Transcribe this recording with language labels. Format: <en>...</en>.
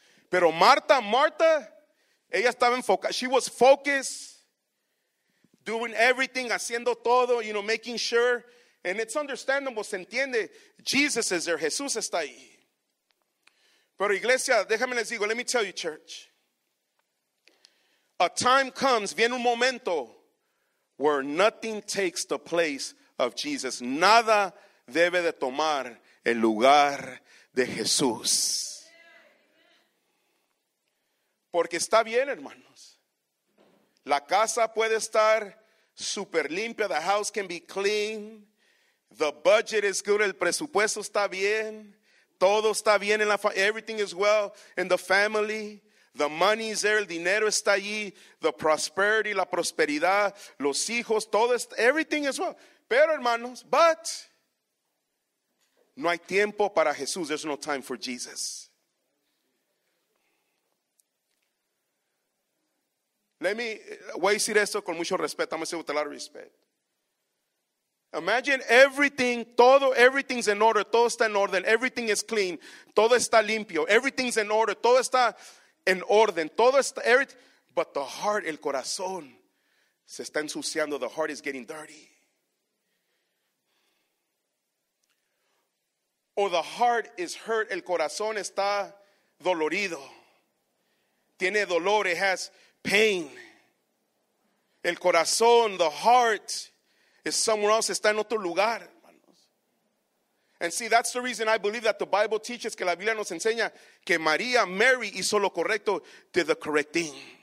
<es>Pero Marta, ella estaba enfocada.</es> <en>She was focused, doing everything,</en> <es>haciendo todo,</es> <en>you know, making sure. And it's understandable,</en> <es>se entiende.</es> <en>Jesus is there.</en> <es>Jesús está ahí. Pero iglesia, déjame les digo,</es> <en>let me tell you, church. A time comes,</en> <es>viene un momento,</es> <en>where nothing takes the place of Jesus.</en> <es>Nada debe de tomar el lugar de Jesús. Porque está bien, hermanos. La casa puede estar super limpia.</es> <en>The house can be clean. The budget is good.</en> <es>El presupuesto está bien. Todo está bien en la familia.</es> <en>Everything is well in the family. The money is there.</en> <es>El dinero está allí.</es> <en>The prosperity,</en> <es>la prosperidad. Los hijos, todo.</es> <en>Everything is well.</en> <es>Pero, hermanos, but no hay tiempo para Jesús.</es> <en>There's no time for Jesus.</en> <es>Voy a decir esto con mucho respeto.</es> <en>I'm going to say with a lot of respect. Imagine everything,</en> <es>todo,</es> <en>everything's in order.</en> <es>Todo está en orden.</es> <en>Everything is clean.</en> <es>Todo está limpio.</es> <en>Everything's in order.</en> <es>Todo está en orden. Todo está,</es> <en>everything. But the heart,</en> <es>el corazón, se está ensuciando.</es> <en>The heart is getting dirty. Or the heart is hurt.</en> <es>El corazón está dolorido. Tiene dolor.</es> <en>It has pain.</en> <es>El corazón,</es> <en>the heart, is somewhere else.</en> <es>Está en otro lugar.</es> <en>And see, that's the reason I believe that the Bible teaches,</en> <es>que la Biblia nos enseña, que María,</es> <en>Mary,</en> <es>hizo lo correcto,</es> <en>did the correct thing.</en>